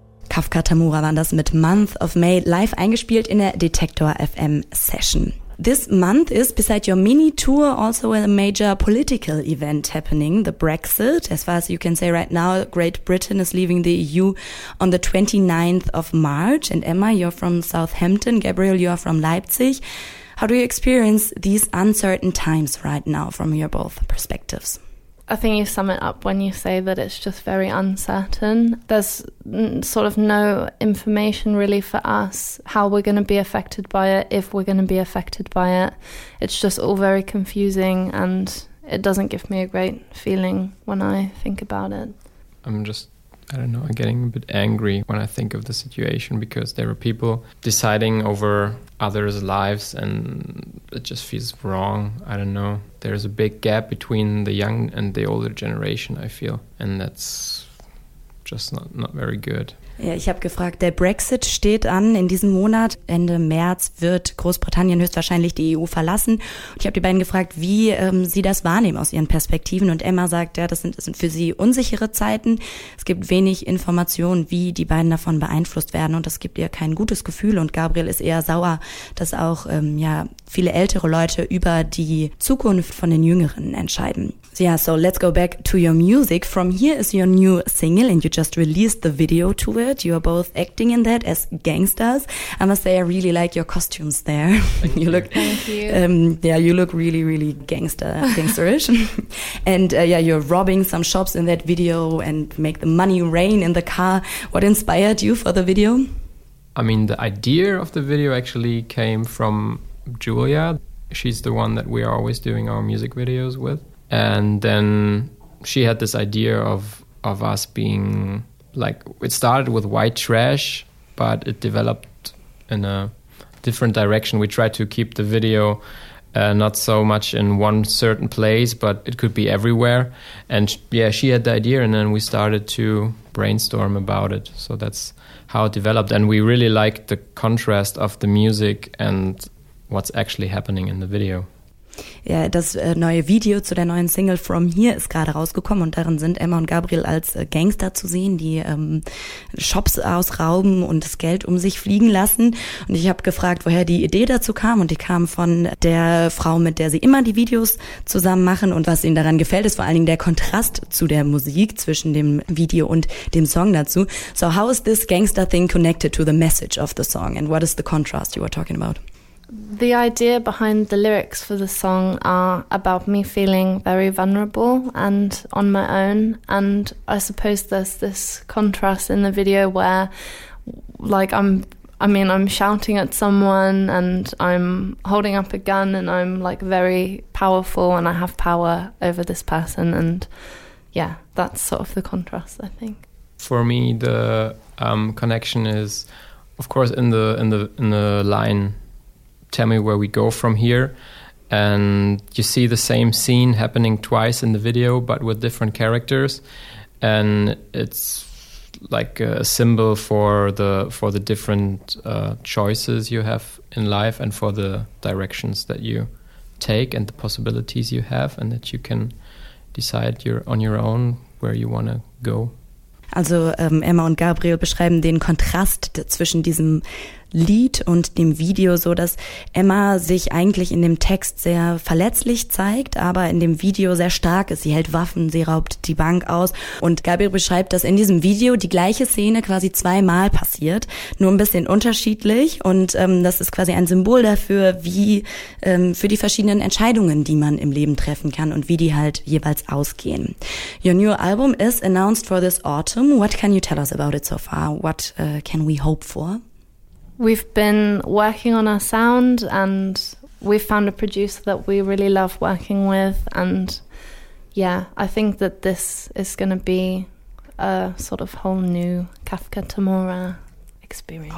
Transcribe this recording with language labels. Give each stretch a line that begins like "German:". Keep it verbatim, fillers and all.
German: Kafka Tamura waren das mit Month of May, live eingespielt in der Detektor F M Session.
English: This month is, beside your mini tour, also a major political event happening, the Brexit. As far as you can say right now, Great Britain is leaving the E U on the twenty-ninth of March. And Emma, you're from Southampton. Gabriel, you're from Leipzig. How do you experience these uncertain times right now from your both perspectives? I think you sum it up when you say that it's just very uncertain. There's sort of no information really for us how we're going to be affected by it, if we're going to be affected by it. It's just all very confusing, and it doesn't give me a great feeling when I think about it. I'm just, I don't know, I'm getting a bit angry when I think of the situation, because there are people deciding over others' lives, and it just feels wrong. I don't know. There's a big gap between the young and the older generation, I feel, and that's just not, not very good.
German: Ja, ich habe gefragt, der Brexit steht an in diesem Monat. Ende März wird Großbritannien höchstwahrscheinlich die E U verlassen. Und ich habe die beiden gefragt, wie ähm, sie das wahrnehmen aus ihren Perspektiven. Und Emma sagt, ja, das sind, das sind für sie unsichere Zeiten. Es gibt wenig Informationen, wie die beiden davon beeinflusst werden. Und das gibt ihr kein gutes Gefühl. Und Gabriel ist eher sauer, dass auch ähm, ja viele ältere Leute über die Zukunft von den Jüngeren entscheiden.
English: So, yeah, so let's go back to your music. From Here is your new single, and you just released the video to it. You are both acting in that as gangsters. I must say, I really like your costumes there. Thank you look, Thank you. Um, yeah, you look really, really gangster, gangsterish. And uh, yeah, you're robbing some shops in that video and make the money rain in the car. What inspired you for the video? I mean, the idea of the video actually came from Julia. She's the one that we are always doing our music videos with, and then she had this idea of of us being. Like, it started with white trash, but it developed in a different direction. We tried to keep the video uh, not so much in one certain place, but it could be everywhere. And yeah, she had the idea, and then we started to brainstorm about it. So that's how it developed. And we really liked the contrast of the music and what's actually happening in the video.
German: Ja, das neue Video zu der neuen Single From Here ist gerade rausgekommen, und darin sind Emma und Gabriel als Gangster zu sehen, die ähm, Shops ausrauben und das Geld um sich fliegen lassen. Und ich habe gefragt, woher die Idee dazu kam, und die kam von der Frau, mit der sie immer die Videos zusammen machen, und was ihnen daran gefällt, ist vor allen Dingen der Kontrast zu der Musik zwischen dem Video und dem Song dazu.
English: So how is this gangster thing connected to the message of the song, and what is the contrast you were talking about? The idea behind the lyrics for the song are about me feeling very vulnerable and on my own, and I suppose there's this contrast in the video where, like, I'm I mean I'm shouting at someone and I'm holding up a gun and I'm like very powerful and I have power over this person, and yeah, that's sort of the contrast, I think. For me, the um, connection is, of course, in the in the in the line, tell me where we go from here, and you see the same scene happening twice in the video but with different characters, and it's like a symbol for the for the different uh, choices you have in life and for the directions that you take and the possibilities you have, and that you can decide your on your own where you want to go.
German: Also ähm, Emma und Gabriel beschreiben den Kontrast zwischen diesem Lied und dem Video so, dass Emma sich eigentlich in dem Text sehr verletzlich zeigt, aber in dem Video sehr stark ist. Sie hält Waffen, sie raubt die Bank aus. Und Gabriel beschreibt, dass in diesem Video die gleiche Szene quasi zweimal passiert, nur ein bisschen unterschiedlich. Und ähm, das ist quasi ein Symbol dafür, wie ähm, für die verschiedenen Entscheidungen, die man im Leben treffen kann und wie die halt jeweils ausgehen.
English: Your new album is announced for this autumn. What can you tell us about it so far? What uh, can we hope for? We've been working on our sound, and we've found a producer that we really love working with, and yeah, I think that this is going to be a sort of whole new Kafka Tamura experience.